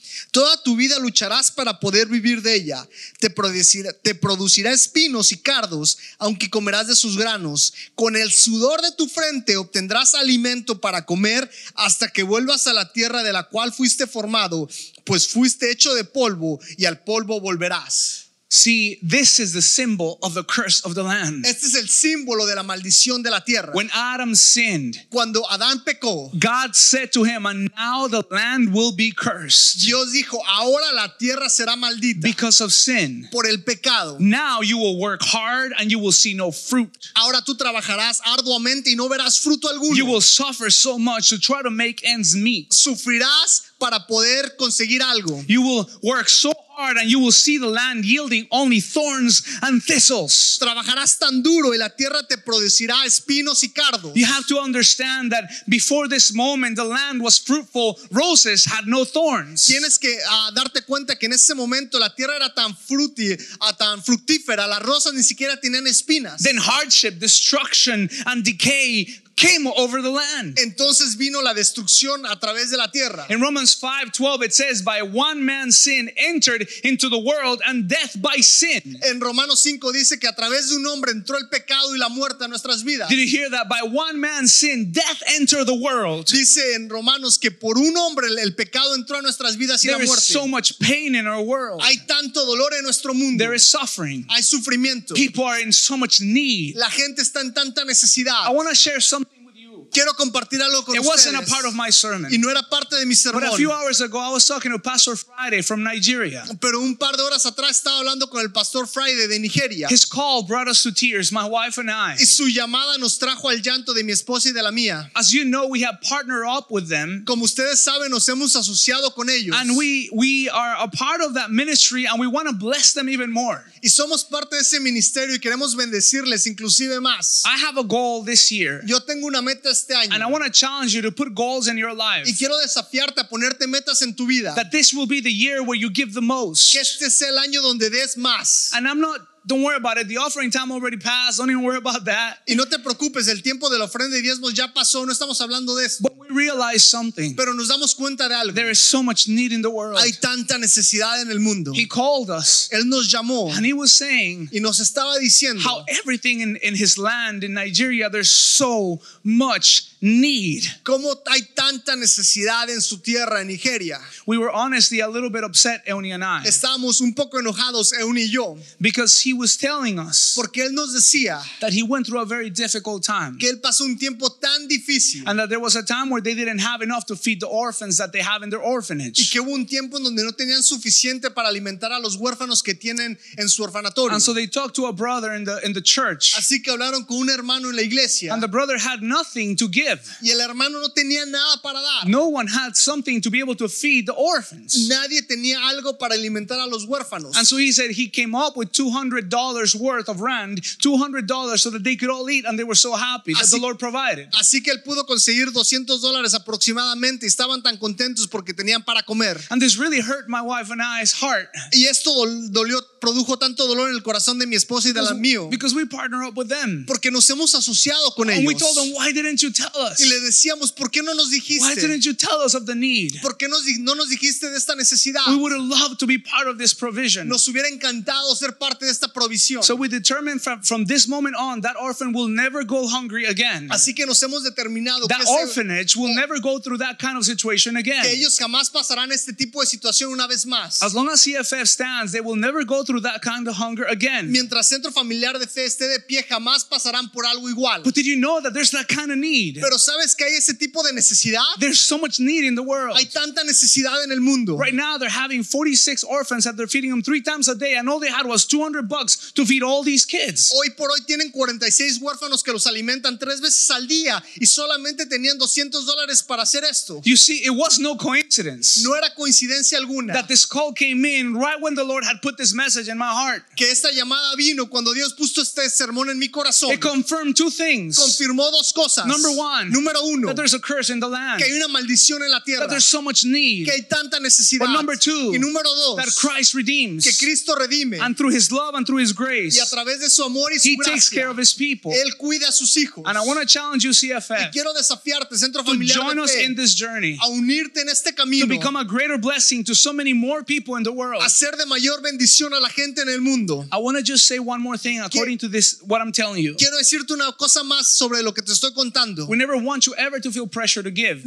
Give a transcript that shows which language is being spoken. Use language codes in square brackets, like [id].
[es] Toda tu vida lucharás para poder vivir de ella. Te producirá espinos y cardos, aunque comerás de sus granos. Con el sudor de tu frente obtendrás alimento para comer hasta que vuelvas a la tierra de la cual fuiste formado, pues fuiste hecho de polvo y al polvo volverás. [en] See, this is the symbol of the curse of the land. [es] Este es el símbolo de la maldición de la tierra. [en] When Adam sinned, [es] cuando Adán pecó, [en] God said to him, and now the land will be cursed. [es] Dios dijo, ahora la tierra será maldita. [en] Because of sin. [es] Por el pecado. [en] Now you will work hard and you will see no fruit. [es] Ahora tú trabajarás arduamente y no verás fruto alguno. [en] You will suffer so much to try to make ends meet. [es] Sufrirás para poder conseguir algo. [en] You will work so hard and you will see the land yielding only thorns and thistles. [es] Trabajarás tan duro y la tierra te producirá espinos y cardos. [en] You have to understand that before this moment the land was fruitful, roses had no thorns. [es] Tienes que darte cuenta que en ese momento la tierra era tan fructífera, las rosas ni siquiera tenían espinas. [en] Then hardship, destruction and decay came over the land. [es] Entonces vino la destrucción a través de la tierra. [en] In Romans 5:12 it says, by one man sin entered into the world and death by sin. [es] En Romanos 5 dice que a través de un hombre entró el pecado y la muerte a nuestras vidas. [en] Did you hear that? By one man sin death entered the world. [es] Dice en Romanos que por un hombre el pecado entró a nuestras vidas y [en] there [es] la muerte. [en] There is so much pain in our world. [es] Hay tanto dolor en nuestro mundo. [en] There is suffering. [es] Hay sufrimiento. [en] People are in so much need. [es] La gente está en tanta necesidad. [en] I want to share something. [es] Quiero compartir algo con [en] it [es] ustedes. [en] Wasn't a part of my sermon. [es] Y no era parte de mi sermón. [en] But a few hours ago I was talking to Pastor Friday from Nigeria. [es] Pero un par de horas atrás estaba hablando con el Pastor Friday de Nigeria. [en] His call brought us to tears, my wife and I. [es] Y su llamada nos trajo al llanto de mi esposa y de la mía. [en] As you know, we have partnered up with them. [es] Como ustedes saben, nos hemos asociado con ellos. [en] And we are a part of that ministry and we want to bless them even more. [es] Y somos parte de ese ministerio y queremos bendecirles inclusive más. [en] I have a goal this year. [es] Yo tengo una meta este año. [en] And I want to challenge you to put goals in your life. [es] Y quiero desafiarte a ponerte metas en tu vida. [en] That this will be the year where you give the most. [es] Que este sea el año donde des más. [en] And I'm not, don't worry about it. The offering time already passed. Don't even worry about that. [es] Y no te preocupes, el tiempo de la ofrenda y diezmos ya pasó. No estamos hablando de esto. [en] But we realize something. [es] Pero nos damos cuenta de algo. [en] There is so much need in the world. [es] Hay tanta necesidad en el mundo. [en] He called us. [es] Él nos llamó. [en] And he was saying. [es] Y nos estaba diciendo. [en] How everything in his land in Nigeria, there's so much need. [es] Cómo hay tanta necesidad en su tierra en Nigeria. [en] We were honestly a little bit upset, Euni and I. [es] Estábamos un poco enojados, Euni y yo. [en] Because he was telling us, [es] porque él nos decía, [en] that he went through a very difficult time, [es] que él pasó un tiempo tan difícil, [en] and that there was a time where they didn't have enough to feed the orphans that they have in their orphanage, [es] y que hubo un tiempo en donde no tenían suficiente para alimentar a los huérfanos que tienen en su orfanatorio. [en] And so they talked to a brother in the church, [es] así que hablaron con un hermano en la iglesia, [en] and the brother had nothing to give, [es] y el hermano no tenía nada para dar. [en] No one had something to be able to feed the orphans. [es] Nadie tenía algo para alimentar a los huérfanos. [en] And so he said he came up with $200 worth of rand, $200 so that they could all eat, and they were so happy that the Lord provided. [es] Así que él pudo conseguir $200 aproximadamente, y estaban tan contentos porque tenían para comer. [en] And this really hurt my wife and I's heart. [es] Y esto dolió, produjo tanto dolor en el corazón de mi esposa y de la mío. [en] Because we partner up with them. [es] Porque nos hemos asociado con ellos. [en] And we told them, why didn't you tell us? [es] Y le decíamos, ¿por qué no nos dijiste? [en] Why didn't you tell us of the need? [es] ¿Por qué no nos dijiste de esta necesidad? [en] We would have loved to be part of this provision. [es] Nos hubiera encantado ser parte de esta esta provisión. [en] So we determined from this moment on that orphan will never go hungry again. [es] Así que nos hemos determinado [en] that orphanage will never go through that kind of situation again. [es] Que ellos jamás pasarán este tipo de situación una vez más. [en] As long as CFF stands, they will never go through that kind of hunger again. [es] Mientras Centro Familiar de Fe esté de pie, jamás pasarán por algo igual. [en] But did you know that there's that kind of need? [es] Pero sabes que hay ese tipo de necesidad? [en] There's so much need in the world. [es] Hay tanta necesidad en el mundo. [en] Right now they're having 46 orphans that they're feeding them 3 times a day, and all they had was $200 to feed all these kids. [es] Hoy por hoy tienen 46 huérfanos que los alimentan 3 veces al día, y solamente tenían $200 para hacer esto. [en] You see, it was no coincidence. [es] No era coincidencia alguna. [en] That this call came in right when the Lord had put this message in my heart. [es] Que esta llamada vino cuando Dios puso este sermón en mi corazón. [en] It confirmed 2 things. [es] Confirmó 2 cosas. [en] Number one. [es] Número uno. [en] That there's a curse in the land. [es] Que hay una maldición en la tierra. [en] That there's so much need. [es] Que hay tanta necesidad. [en] But number two. [es] Y número dos. [en] That Christ redeems. [es] Que Cristo redime. [en] And through His love and through His grace. [es] Y a través de su amor y su [en] He [es] gracia, [en] takes care of His people. [es] Él cuida a sus hijos. [en] And I want to challenge you, CFF. [es] Y quiero desafiarte, Centro Familiar [en] de Fe. To join us in this journey. [es] A unirte en este camino. [en] To become a greater blessing to so many more people in the world. [es] Hacer de mayor bendición a la gente en el mundo. [en] I want to just say one more thing according to this, what I'm telling you. [es] Quiero decirte una cosa más sobre lo que te estoy contando. [en] We never want you ever to feel pressure to give.